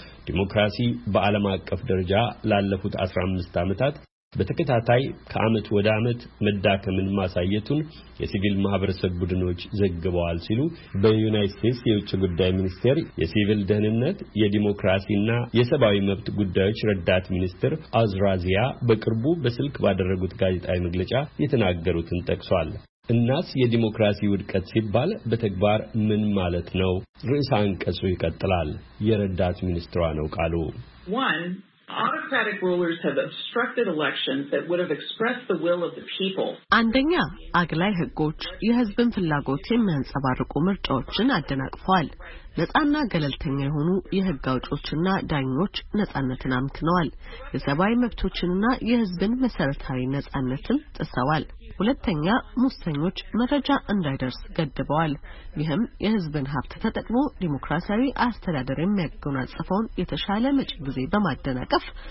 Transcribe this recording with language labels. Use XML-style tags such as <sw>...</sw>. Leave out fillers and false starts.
<am>ዲሞክራሲ በዓለም አቀፍ ደረጃ ላለፉት 15 ዓመታት በተከታታይ ከዓመት ወደ ዓመት መዳከምን ማሳየቱን የሲቪል ማህበረሰብ ቡድኖች ዘግበዋል ሲሉ በዩናይትድ ስቴትስ የውጭ ጉዳይ ሚኒስቴር የሲቪል ደህንነት የዲሞክራሲና የሰብአዊ መብት ጉዳዮች ረዳት ሚኒስትር አዝራዚያ በቅርቡ በስልክ ባደረጉት ጋዜጣዊ መግለጫ የተናገሩትን ጠቅሷል። እናስ የዲሞክራሲ ውድቀት ሲባል በተግባር ምን ማለት ነው? ርዕሰ አንቀጹ ይቀጥላል። የረዳት ሚኒስትሯ ነው ቃሉ።</am> <en>One, autocratic rulers have obstructed elections that would have expressed the will of the people.</en> <am>አንደኛ፣ አግላይ ህጎች የህዝብን ፍላጎት የሚያንጸባርቁ ምርጫዎችን አደናቅፈዋል። ነጻና ገለልተኛ የሆኑ የህግ አውጪዎችና ዳኞች ነጻነትን አምክነዋል። የሰብአዊ መብቶችንና የህዝብን መሰረታዊ ነጻነትን ጥሰዋል። ሁለተኛ፣ ሙሰኞች መረጃ እንዳይደርስ ገድበዋል። ይህም የህዝብን ሀብት ተጠቅሞ ዲሞክራሲያዊ አስተዳደር የሚያጎናጽፈውን የተሻለ መጪ ጊዜ በማደናቀፍ</am>